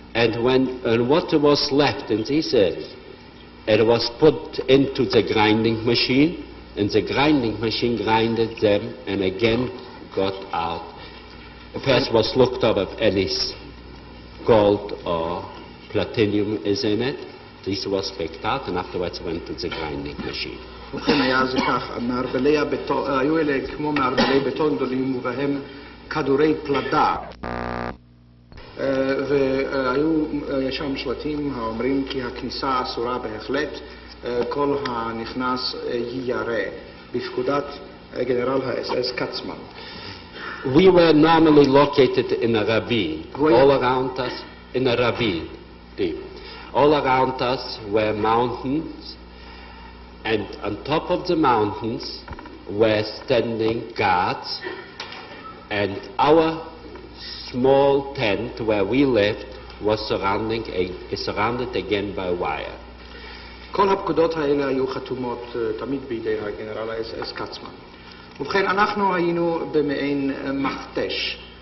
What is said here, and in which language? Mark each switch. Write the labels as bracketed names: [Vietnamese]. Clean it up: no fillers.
[English] And what was left in these sips, it was put into the grinding machine, and the grinding machine grinded them and again got out. First was looked up if any gold or platinum is in it. This was picked out and afterwards went to the grinding machine. [Hebrew] וכן היה זה כך, מערבלי הבטון, היו אלה כמו מערבלי בטון גדולים ובהם כדורי פלדה. והיו שם שלטים האומרים כי הכניסה אסורה בהחלט, כל הנכנס יירה, בפקודת גנרל האס-אס קצמן. [English] We were normally located in a ravine, all around us, in a ravine, all around us were mountains, and on top of the mountains were standing guards, and our small tent where we lived was surrounded again by wire. [Hebrew] כל הפקודות האלה היו חתומות תמיד בידי הגנרל האס-אס קצמן. ובכן, אנחנו היינו במעין מחטש.